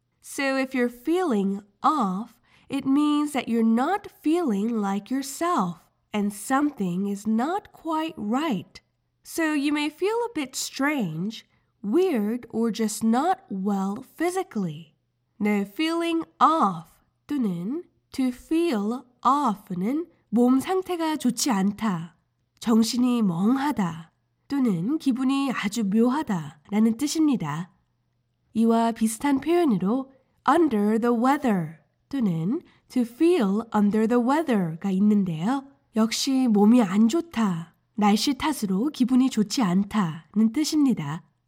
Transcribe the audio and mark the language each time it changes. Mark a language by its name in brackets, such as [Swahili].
[English] So if you're feeling off, it means that you're not feeling like yourself and something is not quite right. So you may feel a bit strange, weird, or just not well physically. [Korean] 네, [English] feeling off [Korean] 또는 [English] to feel off [Korean] 는 몸 상태가 좋지 않다, 정신이 멍하다 또는 기분이 아주 묘하다라는 뜻입니다. 이와 비슷한 표현으로 [English] under the weather [Korean] 또는 [English] to feel under the weather [Korean] 가 있는데요. 역시 몸이 안 좋다, 날씨 탓으로 기분이 좋지 않다는 뜻입니다.